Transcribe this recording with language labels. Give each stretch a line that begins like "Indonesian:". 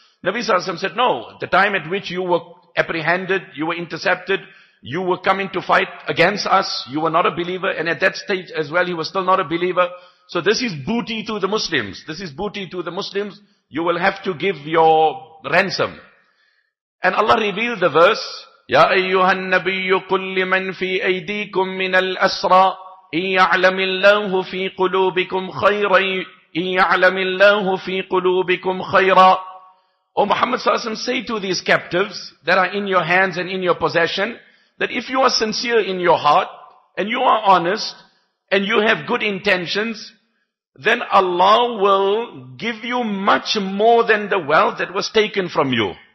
English: Nabi sallallahu alaihi wasallam said, no, the time at which you were apprehended, you were intercepted, you were coming to fight against us, you were not a believer, and at that stage as well, he was still not a believer. So this is booty to the Muslims. This is booty to the Muslims. You will have to give your ransom. And Allah revealed the verse,
Arabic: يَا أَيُّهَا النَّبِيُّ قُلْ لِمَنْ فِي أَيْدِيكُمْ مِنَ الْأَسْرَىٰ إِنْ يَعْلَمِ اللَّهُ فِي قُلُوبِكُمْ خَيْرًا إِنْ يَعْلَمِ اللَّهُ فِي قُلُوبِكُمْ خَيْرًا.
English: O Muhammad sallallahu alayhi wa sallam, say to these captives that are in your hands and in your possession, that if you are sincere in your heart, and you are honest, and you have good intentions, then Allah will give you much more than the wealth that was taken from you.